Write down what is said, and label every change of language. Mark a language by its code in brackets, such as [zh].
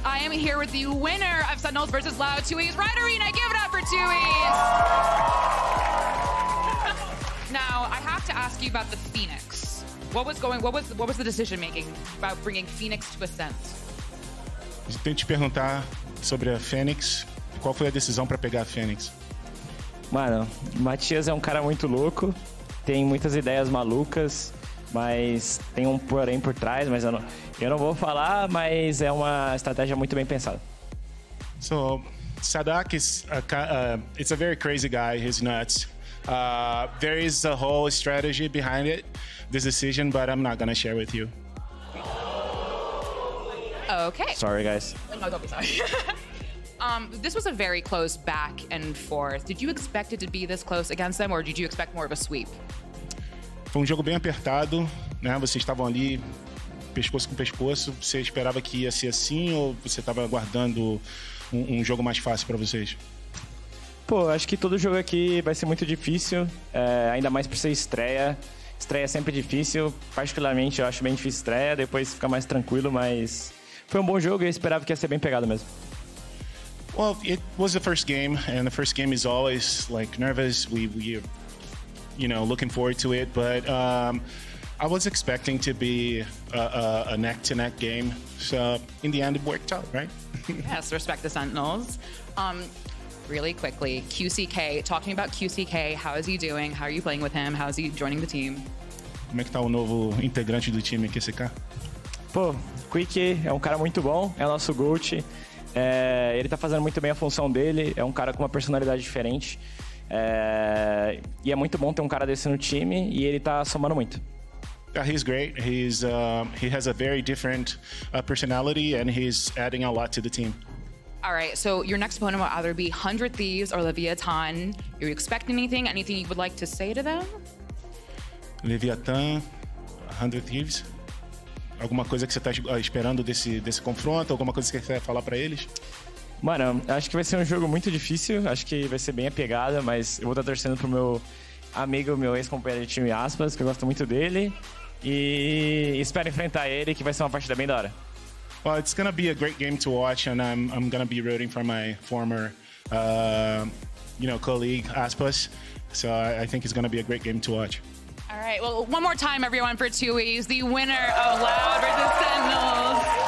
[en] I am here with the winner of Sentinels versus Loud, Tui's Ride Arena. Give it up for Tui's. Now, I have to ask you about the Phoenix. What was the decision making about bringing Phoenix to Ascent? [pt] Tem te perguntar sobre a Phoenix. Qual foi a decisão para pegar a Phoenix? Mano, Matias é um cara muito louco. Tem muitas ideias malucas. Mas tem um porém por trás, mas eu não vou falar, mas é uma estratégia muito bem pensada. [en] So, Sadak is it's a very crazy guy, he's nuts. There is a whole strategy behind it, this decision, but I'm not gonna share with you. Okay. Sorry, guys. No, don't be sorry. this was a very close back and forth. Did you expect it to be this close against them, or did you expect more of a sweep? [pt] Foi um jogo bem apertado, né? Vocês estavam ali pescoço com pescoço. Você esperava que ia ser assim ou você estava aguardando um jogo mais fácil para vocês? Pô, acho que todo jogo aqui vai ser muito difícil, ainda mais por ser estreia. Estreia é sempre difícil, particularmente eu acho bem difícil estreia, depois fica mais tranquilo, mas foi um bom jogo e eu esperava que ia ser bem pegado mesmo. [en] Well, it was the first game and the first game is always like nervous. You know, looking forward to it, but I was expecting to be a neck-to-neck game. So in the end, it worked out, right? Yes, respect the Sentinels. Really quickly, QCK, talking about QCK, how is he doing? How are you playing with him? How is he joining the team? [pt] Como é que tá o novo integrante do time QCK? Pô, Quick é um cara muito bom, é nosso GOAT. Ele tá fazendo muito bem a função dele, é um cara com uma personalidade diferente. E é muito bom ter um cara desse no time e ele tá somando muito. [en] Yeah, he's great. He has a very different personality and he's adding a lot to the team. All right, so your next opponent will either be 100 Thieves or Leviathan. Are you expecting anything? Anything you would like to say to them? Leviathan, 100 Thieves. [pt] Alguma coisa que você tá esperando desse confronto? Alguma coisa que você quer falar para eles? Mano, acho que vai ser um jogo muito difícil, acho que vai ser bem apegada, mas eu vou estar torcendo pro meu amigo, meu ex-companheiro de time Aspas, que eu gosto muito dele, e espero enfrentar ele, que vai ser uma partida bem da hora. [en] Well, it's gonna be a great game to watch, and I'm gonna be rooting for my former, you know, colleague Aspas, so I think it's gonna be a great game to watch. All right, well, one more time, everyone, for Tui's, the winner of Loud versus Sentinels.